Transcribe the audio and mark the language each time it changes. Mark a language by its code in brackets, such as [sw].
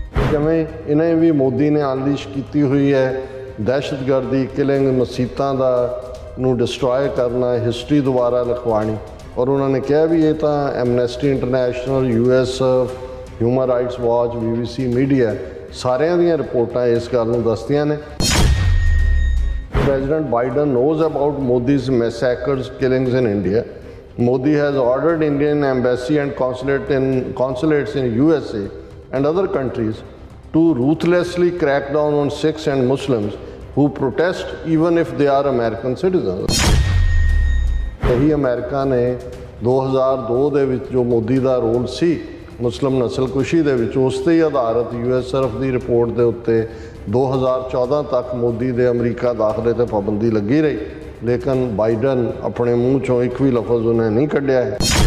[pa] ਜਿਵੇਂ ਇਹਨੇ ਵੀ ਮੋਦੀ ਨੇ ਅਨਲਿਸ਼ ਕੀਤੀ ਹੋਈ ਹੈ ਦਹਿਸ਼ਤਗਰਦੀ, ਕਿਲਿੰਗ, ਮਸੀਤਾਂ ਦਾ ਨੂੰ ਡਿਸਟਰੋਏ ਕਰਨਾ, ਹਿਸਟਰੀ ਦੁਬਾਰਾ ਲਿਖਵਾਉਣੀ, ਔਰ ਉਹਨਾਂ ਨੇ ਕਿਹਾ ਵੀ ਇਹ ਤਾਂ Amnesty international, U S F, human rights watch, B B ਸੀ media ਸਾਰਿਆਂ ਦੀਆਂ ਰਿਪੋਰਟਾਂ ਇਸ ਗੱਲ ਨੂੰ ਦੱਸਦੀਆਂ ਨੇ। [en] President Biden knows about Modi's massacres, killings in India. Modi has ordered Indian embassy and consulates in USA and other countries to ruthlessly crack down on Sikhs and Muslims who protest even if they are American citizens. [pa] ਸਹੀ America ਨੇ 2002 ਦੇ ਵਿੱਚ ਜੋ ਮੋਦੀ ਦਾ role ਸੀ ਮੁਸਲਿਮ ਨਸਲਕੁਸ਼ੀ ਦੇ ਵਿੱਚ, ਉਸ 'ਤੇ ਹੀ ਆਧਾਰਿਤ ਯੂ ਐੱਸ ਐਫ ਦੀ ਰਿਪੋਰਟ ਦੇ ਉੱਤੇ 2014 ਤੱਕ ਮੋਦੀ ਦੇ ਅਮਰੀਕਾ ਦਾਖਲੇ 'ਤੇ ਪਾਬੰਦੀ ਲੱਗੀ ਰਹੀ, ਲੇਕਿਨ ਬਾਈਡਨ ਆਪਣੇ ਮੂੰਹ 'ਚੋਂ ਇੱਕ ਵੀ ਲਫਜ਼ ਉਹਨੇ ਨਹੀਂ ਕੱਢਿਆ ਹੈ।